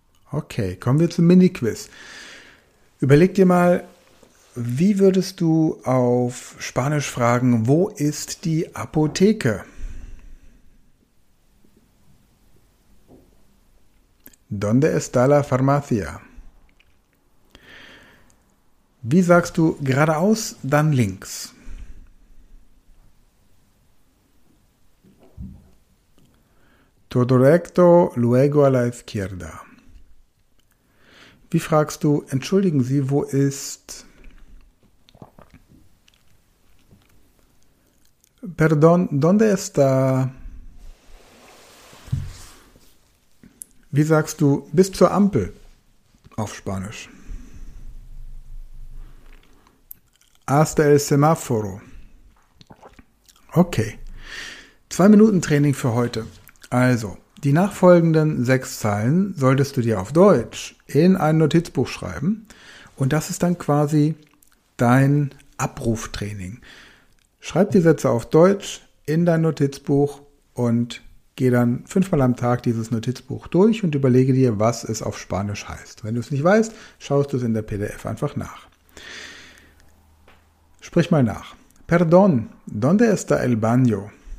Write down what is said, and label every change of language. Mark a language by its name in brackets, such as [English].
[German] Okay, kommen wir zum Mini-Quiz. Überleg dir mal, wie würdest du auf Spanisch fragen, wo ist die Apotheke? [Spanish] ¿Dónde está la farmacia? [German] Wie sagst du geradeaus, dann links? [Spanish] Todo recto, luego a la izquierda. [German] Wie fragst du, entschuldigen Sie, wo ist... [Spanish] Perdón, ¿dónde está? [German] Wie sagst du bis zur Ampel auf Spanisch? [Spanish] Hasta el semáforo. [German] Okay, 2 Minuten Training für heute. Also, Die nachfolgenden 6 Zeilen solltest du dir auf Deutsch in ein Notizbuch schreiben. Und das ist dann quasi dein Abruftraining. Schreib die Sätze auf Deutsch in dein Notizbuch und geh dann 5-mal am Tag dieses Notizbuch durch und überlege dir, was es auf Spanisch heißt. Wenn du es nicht weißt, schaust du es in der PDF einfach nach. Sprich mal nach. [Spanish] Perdón, ¿dónde está el baño?